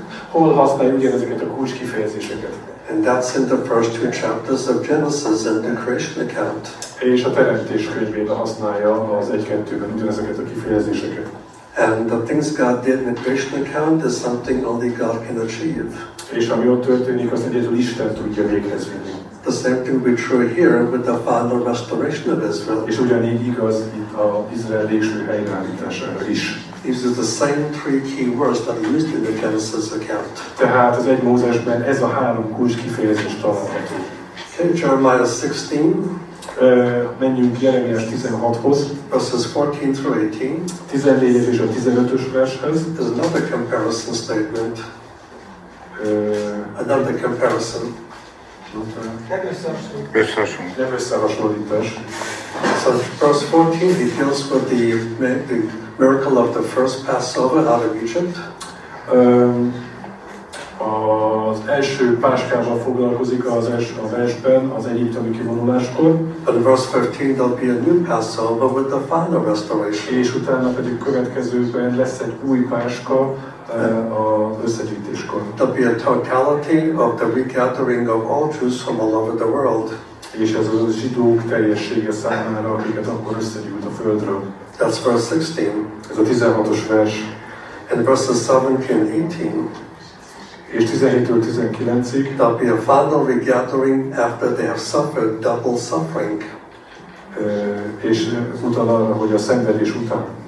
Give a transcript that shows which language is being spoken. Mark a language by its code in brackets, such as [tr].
[hu] Hol használja ugyanezeket a kulcs kifejezéseket? [en] And that's in the first two chapters of Genesis and the creation account. [hu] És a teremtés könyvében használja az 1-2-ben ugyanezeket a kifejezéseket. [en] And the things God did in the creation account is something only God can achieve. [hu] És ami ott történik, azt egyedül Isten tudja véghez vinni. [en] The same thing will be true here with the final restoration of Israel. [hu] És ugyanígy igaz itt a Izrael végső helyreállítására is. [en] These are the same three key words that are used in the Genesis account. [hu] Tehát az 1 Mózesben ez a három kulcs kifejezés található. [en] Okay, Jeremiah 16. [hu] Menjünk Jeremiás 16-hoz. [en] Verses 14 through 18. [hu] 14 és a 15-ös vershez. [en] There's another comparison statement. another comparison. Verse 14, it deals with the miracle of the first Passover out of Egypt. [hu] Az első páskával foglalkozik az első a versben, az egyiptomi kivonuláskor. [en] But in verse 13, there'll be a new Passover with the final restoration. [hu] És utána pedig következőben lesz egy új páska, az összegyűjtéskor. [en] There'll be a totality of the regathering of all Jews from all over the world. [hu] És ez az a zsidók teljessége számára, akiket akkor összegyűjt a földről. [en] That's verse 16. [hu] Ez a 16-os vers. [en] And verses 17 and 18. [hu] És 17-től 19-ig. [en] There'll be a final regathering after they have suffered double suffering. [hu] És utal arra, hogy a szenvedés után.